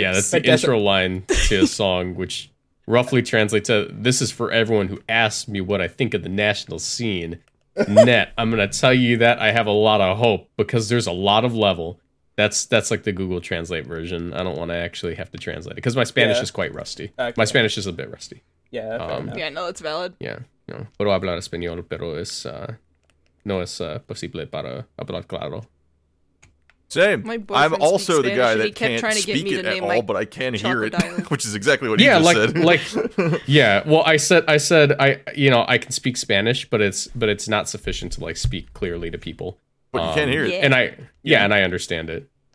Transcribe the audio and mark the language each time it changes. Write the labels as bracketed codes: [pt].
[en] Yeah, that's the intro line to a song, which roughly translates to, this is for everyone who asked me what I think of the national scene. Net, I'm gonna tell you that I have a lot of hope because there's a lot of level. That's like the Google Translate version. I don't want to actually have to translate it because my Spanish is quite rusty. Okay. My Spanish is a bit rusty. Yeah. Yeah. No, it's valid. Yeah. No. [es] Puedo hablar español, pero es no es posible para hablar claro. [en] Same. I'm also the guy that can't speak it at all, but I can hear it, which is exactly what you just said. Yeah, well, I said, I can speak Spanish, but it's not sufficient to like speak clearly to people. But you can't hear it. And I understand it.